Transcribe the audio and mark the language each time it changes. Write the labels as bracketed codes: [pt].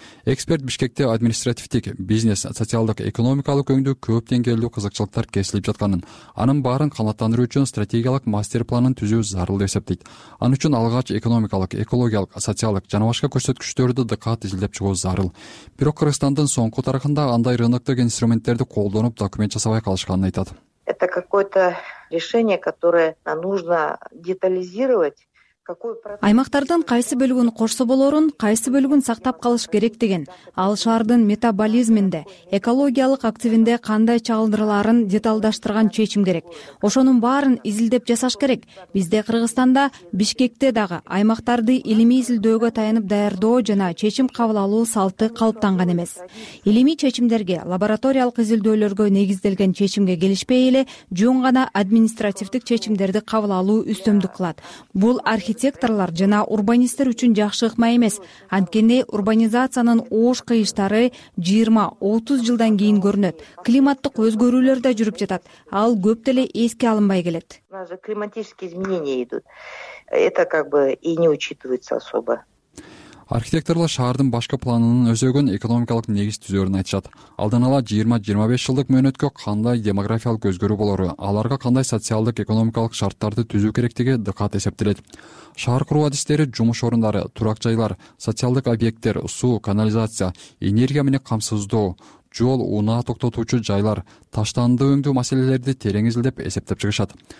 [ky] Эксперт Бишкекте административдик, бизнес, социалдык, экономикалык өңдө көп деңгээлүү кызыкчылыктар кесилип жатканын, анын баарын канааттандыруу үчүн стратегиялык мастер планын түзүү зарыл деп эсептейт. Ан үчүн алгач экономикалык, экологиялык, социалдык жана башка көрсөткүчтөрдү дыкат изилдеп чыгуу зарыл. Бирок Кыргызстандын соңку тарыхында андай рыноктук инструменттерди колдонуп документ жасабай калышканын айтат. [ru] Это какое-то решение, которое нужно детализировать. [ky] Аймактардын кайсы бөлүгүн кошсо болорун, кайсы бөлүгүн сактап калыш керек деген, ал шаардын метаболизминде, экологиялык активинде кандай чагылдырларын деталдаштырган чечим керек. Ошонун баарын изилдеп жасаш керек. Бизде Кыргызстанда, Бишкекте дагы аймактарды илимий изилдөөгө таянып даярдоо жана чечим кабыл алуу салты калыптанган эмес. Илимий чечимдерге, лабораториялык изилдөөлөргө негизделген чечимге келишпей эле, жөн гана административдик чечимдерди кабыл алуу үстөмдүк кылат. Бул архитекторлар жана урбанисттер үчүн жакшы ыкма эмес. Анткени урбанизациянын ош кыйыштары 20-30 жылдан кийин көрүнөт. Климаттык өзгөрүүлөр да жүрүп жатат. Ал көп деле эске алынбай келет. [ru] Климатические изменения идут. Это как бы и не учитывается особо. [ky] Архитекторлор шаардын башкы планынын өзөгүн экономикалык негиз түзөрүн айтышат. Алдын ала 20-25 жылдык мөөнөткө кандай демографиялык өзгөрүү болору, аларга кандай социалдык экономикалык шарттарды түзүү керектиги дыкат эсептелет. Шаар куруу адистери жумуш орундары, турак жайлар, социалдык объекттер, суу, канализация, энергия менен камсыздоо, жол, унаа токтотуучу жайлар, таштанды өңдүү маселелерди терең изилдеп эсептеп чыгышат.